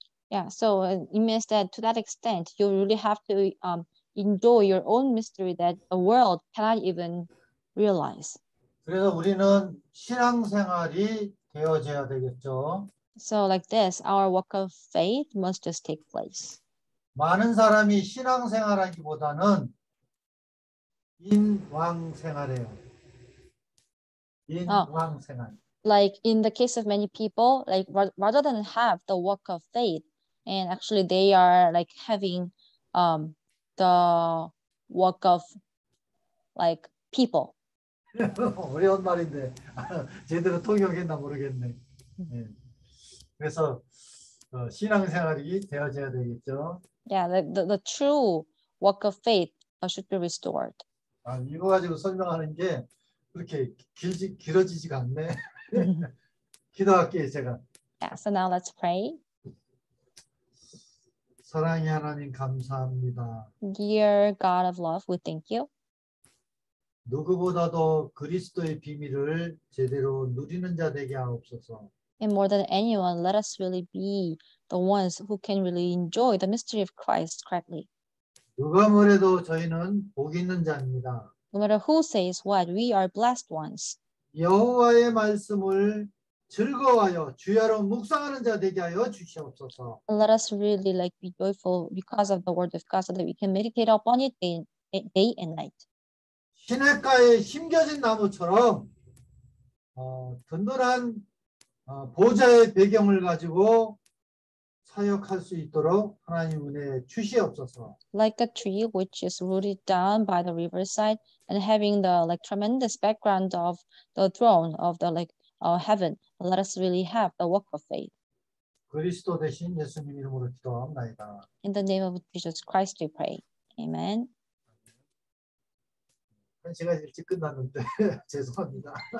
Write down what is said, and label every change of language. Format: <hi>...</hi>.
<en>Yeah, so it means that to that extent, you really have to enjoy your own mystery that the world cannot even realize.</en> <ko>그래서 우리는 신앙생활이 되어져야 되겠죠.</ko> <en>So like this, our walk of faith must just take place.</en> <ko>많은 사람이 신앙생활하기보다는 인왕생활이에요. 인왕생활.</ko> <en>Like in the case of many people, like rather than have the walk of faith, and actually they are like having the walk of like people.</en> <ko>어려운 말인데 제대로 통역했나 모르겠네. 네. 그래서 신앙생활이 되어져야 되겠죠.</ko> <en>Yeah, the true walk of faith should be restored.</en> <ko>아, 이거 가지고 설명하는 게 그렇게 길어지지가 않네. 기도할게요, 제가.</ko> <en>Yeah, so now let's pray.</en> <ko>사랑의 하나님 감사합니다.</ko> <en>Dear God of love, we thank you.</en> <ko>누구보다도 그리스도의 비밀을 제대로 누리는 자 되게 하옵소서.</ko> <en>And more than anyone, let us really be the ones who can really enjoy the mystery of Christ correctly.</en> <ko>누가 뭐래도 저희는 복 있는 자입니다.</ko> <en>No matter who says what, we are blessed ones.</en> <ko>여호와의 말씀을 즐거워하여 주야로 묵상하는 자 되게 하여 주시옵소서.</ko> <en>And let us really like be joyful because of the word of God so that we can meditate upon it day and night.</en> <ko>시냇가에 심겨진 나무처럼 든든한 보좌의 배경을 가지고 사역할 수 있도록 하나님 은혜 주시옵소서.</ko> <en>Like a tree which is rooted down by the riverside and having the like tremendous background of the throne of the like heaven, let us really have the walk of faith.</en> <ko>그리스도 되신 예수님 이름으로 기도합니다.</ko> <en>In the name of Jesus Christ, we pray. Amen.</en> <ko>한 시간 일찍 끝났는데 죄송합니다.</ko>